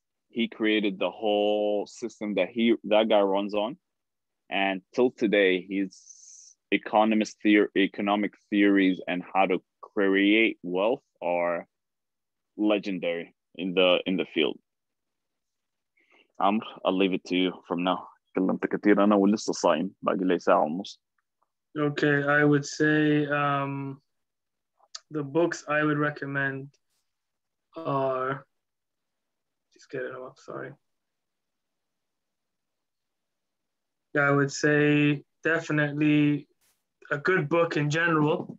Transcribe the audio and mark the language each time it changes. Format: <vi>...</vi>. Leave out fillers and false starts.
<en>He created the whole system that that guy runs on. And till today, his economic theories and how to create wealth are legendary in the field. Amr, I'll leave it to you from now.</en> <ar>كلمت كثير أنا ولسه صايم باقي لي ساعة ونص.</ar> <en>Okay, I would say the books I would recommend are. Just get it up. Sorry. Yeah, I would say definitely a good book in general.</en>